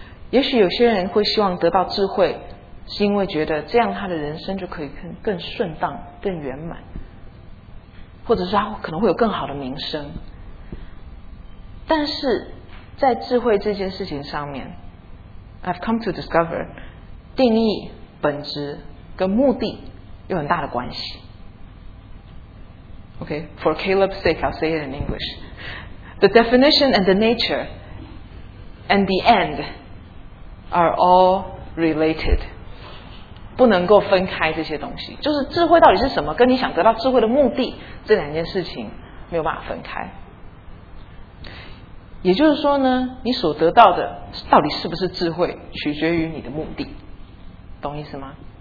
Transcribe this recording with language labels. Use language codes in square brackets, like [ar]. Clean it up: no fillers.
[zh] 也许有些人会希望得到智慧，是因为觉得这样他的人生就可以更顺当、更圆满，或者是他可能会有更好的名声。但是在智慧这件事情上面 ， [en] I've come to discover， [zh] 定义、本质跟目的有很大的关系。 [en] Okay, for Caleb's sake, I'll say it in English. The definition and the nature and the end are all related. [zh] 不能够分开这些东西，就是智慧到底是什么，跟你想得到智慧的目的，这两件事情没有办法分开。也就是说呢，你所得到的到底是不是智慧，取决于你的目的，懂意思吗？